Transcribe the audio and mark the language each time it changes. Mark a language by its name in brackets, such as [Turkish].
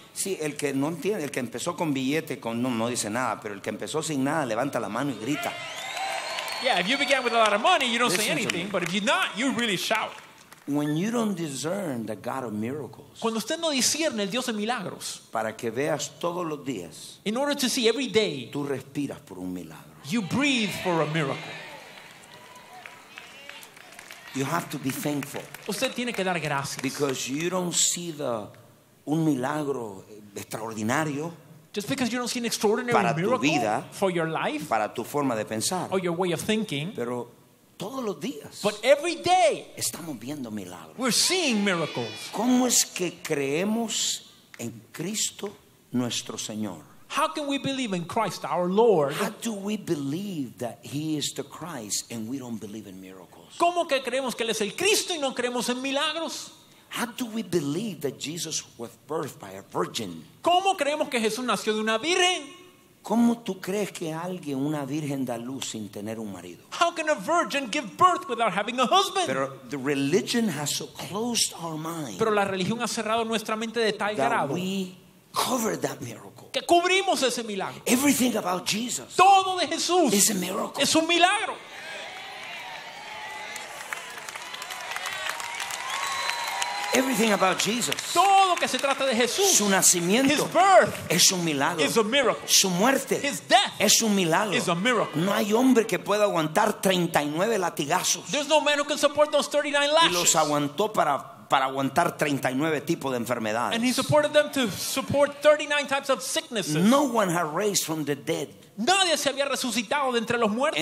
[Spanish] Sí, el que no entiende, el que empezó con billete, no dice nada, pero el que empezó sin nada levanta la mano y grita. [English] Yeah, if you began with a lot of money, you don't say anything, but if you're not, you really shout. When you don't discern the God of miracles. [Spanish] Cuando usted no discierne el Dios de milagros. Para que veas todos los días. [English] In order to see every day. [Spanish] Tú respiras por un milagro. [English] You breathe for a miracle. You have to be thankful. [Spanish] Usted tiene que dar gracias. [English] Because you don't see [Spanish] un milagro extraordinario. [English] Just because you don't see an extraordinary miracle [Spanish] vida, [English] for your life. [Spanish] Para tu forma de pensar. [English] Or your way of thinking. [Spanish] Pero todos los días. [English] But every day. [Spanish] Estamos viendo milagros. [English] We're seeing miracles. [Spanish] ¿Cómo es que creemos en Cristo nuestro Señor? [English] How can we believe in Christ our Lord? How do we believe that he is the Christ and we don't believe in miracles? [Spanish] ¿Cómo que creemos que él es el Cristo y no creemos en milagros? [English] How do we believe that Jesus was birthed by a virgin? [Spanish] ¿Cómo creemos que Jesús nació de una virgen? ¿Cómo tú crees que alguien, una virgen, da luz sin tener un marido? [English] How can a virgin give birth without having a husband? [Spanish] Pero [English] the religion has so closed our mind. [Spanish] Pero la religión ha cerrado nuestra mente de tal grado. [English] That we cover that miracle. [Spanish] Que cubrimos ese milagro. [English] Everything about Jesus. [Spanish] Todo de Jesús. [English] Is a miracle. [Spanish] Es un milagro. [English] Everything about Jesus. [Spanish] Todo que se trata de Jesús. Su nacimiento. [English] His birth. [Spanish] Es un milagro. [English] Is a miracle. [Spanish] Su muerte. [English] His death. [Spanish] Es un milagro. [English] Is a miracle. [Spanish] No hay hombre que pueda aguantar 39 latigazos. [English] There's no man who can support those 39 lashes. [Spanish] Y los aguantó para aguantar 39 tipos de enfermedades. [English] And he supported them to support 39 types of sicknesses. No one had raised from the dead. [Spanish] Nadie se había resucitado de entre los muertos.